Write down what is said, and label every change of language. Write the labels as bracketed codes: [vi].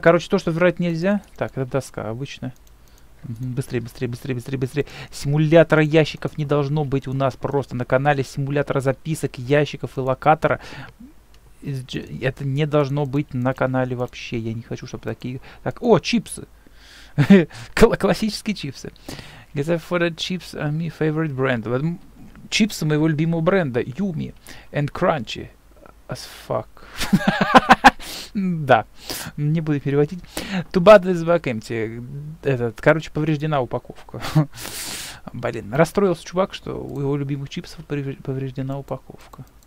[ru] Короче, то, что врать нельзя. Так, это доска обычная. Быстрее, быстрее, быстрее, быстрее, быстрее. Симулятора ящиков не должно быть у нас просто на канале. Симулятора записок, ящиков и локатора. Это не должно быть на канале вообще. Я не хочу, чтобы такие... Так, о, чипсы! Классические чипсы. [en] Get that for the chips are my favorite brand. [ru] Чипсы моего любимого бренда. [en] Yummy and crunchy. As fuck. [ru] Да. Не буду переводить. [en] Too bad this bag empty. [ru] Этот, короче, повреждена упаковка. Блин, расстроился чувак, что у его любимых чипсов повреждена упаковка.